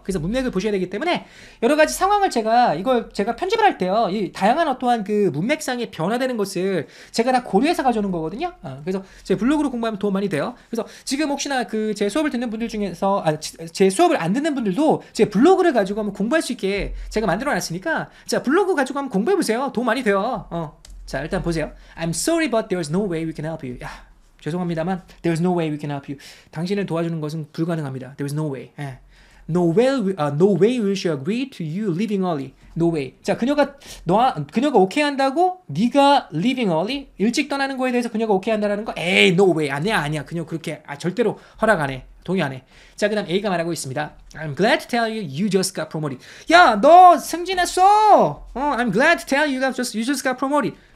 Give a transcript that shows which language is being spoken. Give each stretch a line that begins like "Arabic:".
Korean: 그래서 문맥을 보셔야 되기 때문에 여러 가지 상황을 제가 이걸 제가 편집을 할 때요, 이 다양한 어떠한 그 문맥상의 변화되는 것을 제가 다 고려해서 가져오는 거거든요. 그래서 제 블로그로 공부하면 도움 많이 돼요. 그래서 지금 혹시나 그 제 수업을 듣는 분들 중에서 제 수업을 안 듣는 분들도 제 블로그를 가지고 한번 공부할 수 있게 제가 만들어 놨으니까 자, 블로그 가지고 한번 공부해 보세요. 도움 많이 돼요. 자, 일단 보세요.
English: I'm sorry but there's no way we can help you.
Korean: 야. 죄송합니다만
English: there's no way we can help you.
Korean: 당신을 도와주는 것은 불가능합니다.
English: There's no way. Yeah. No way no way will she agree to you leaving early. No way.
Korean: 자, 그녀가 오케이 한다고 네가
English: leaving early
Korean: 일찍 떠나는 거에 대해서 그녀가 오케이 한다라는 거? 에이,
English: no way.
Korean: 아니야. 그녀 그렇게 절대로 허락 안 해. 동의 안 해. 자, 그다음 A가 말하고 있습니다.
English: I'm glad to tell you you just got promoted.
Korean: 야, 너 승진했어.
English: I'm glad to tell you you just got promoted.